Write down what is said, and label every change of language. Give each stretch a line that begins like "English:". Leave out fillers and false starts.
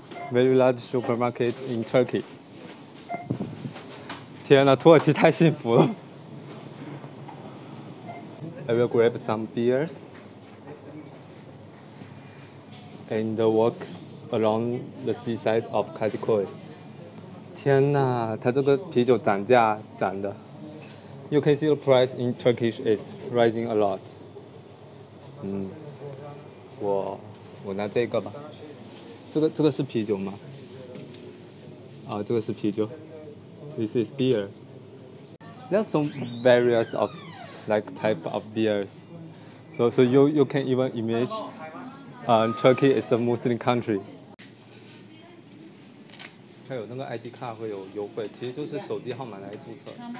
English: Very large supermarket in Turkey.
Chinese: 天哪，土耳其太幸福了。
English: I will grab some beers and walk along the seaside of Kadıköy.
Chinese: 天哪，它这个啤酒涨价涨的。
English: You can see the price in Turkish is rising a lot.
Chinese: 我拿这个吧。这个是啤酒吗？啊，这个是啤酒。
English: This is beer. There are some various of like type of beers. So you can even image, Turkey is a Muslim country.
Chinese: 还有那个 ID 卡会有优惠，其实就是手机号码来注册。